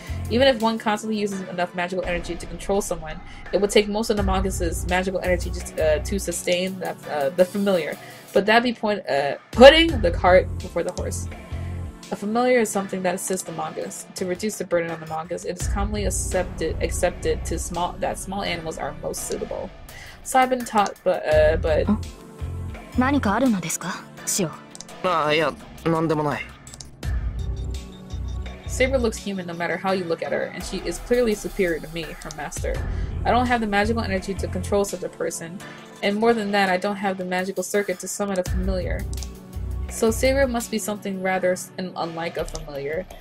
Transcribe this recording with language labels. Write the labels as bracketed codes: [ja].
[en] Even if one constantly uses enough magical energy to control someone, it would take most of the Magus' magical energy to sustain the familiar. But that'd be putting the cart before the horse. A familiar is something that assists the mongoose. To reduce the burden on the mongoose, it is commonly accepted to small that small animals are most suitable. So I've been taught, but. [ja] 何かあるのですか、シオ。ああ、いや、なんでもない。 [en] Saber looks human no matter how you look at her, and she is clearly superior to me, her master. I don't have the magical energy to control such a person, and more than that, I don't have the magical circuit to summon a familiar. So Saber must be something rather unlike a familiar.